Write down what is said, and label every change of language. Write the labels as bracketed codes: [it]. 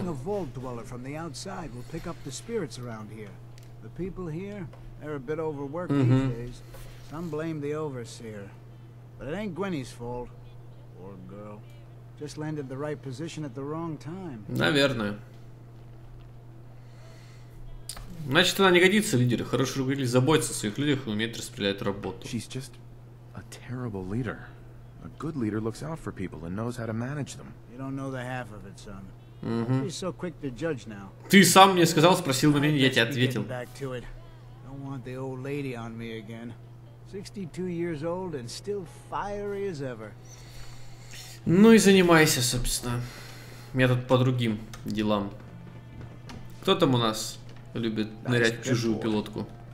[en] Seeing a vault dweller from the outside will pick up the spirits around here. The people here, they're a bit overworked these days. Some blame the overseer. But it ain't Gwenny's fault. Poor girl. Just landed the right position at the wrong time. [ru] Наверное. Значит, она не годится, лидеры. Хорошо говорили, заботиться о своих людях и умеет распределять работу. [en] She's just a terrible leader. A good leader looks out for people and knows how to manage them. You don't know the half of it, son. Mm-hmm. So quick to judge now. [ru] Ты сам мне сказал, спросил на меня, я тебе ответил. [en] I don't want the old lady on me again. 62 years old and still fiery as ever. [ru] Ну и занимайся, собственно. Я тут по другим делам. Кто там у нас любит нырять в чужую пилотку?